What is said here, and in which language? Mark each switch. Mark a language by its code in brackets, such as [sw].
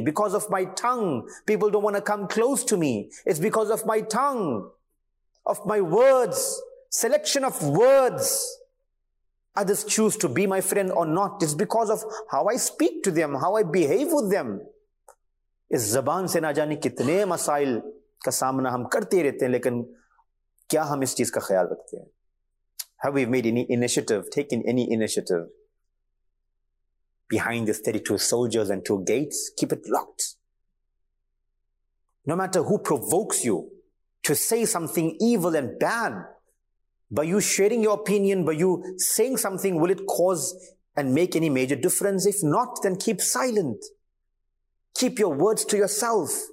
[en] Because of my tongue, people don't want to come close to me. It's because of my tongue, of my words, selection of words. Others choose to be my friend or not. It's because of how I speak to them, how I behave with them. [ur] اس زبان سے نہ جانے کتنے مسائل کا سامنا ہم کرتے رہتے ہیں لیکن کیا ہم اس چیز کا خیال رکھتے ہیں [en] Have we made any initiative, taken any initiative behind these 32 soldiers and two gates? Keep it locked. No matter who provokes you to say something evil and bad, by you sharing your opinion, by you saying something, will it cause and make any major difference? If not, then keep silent. Keep your words to yourself.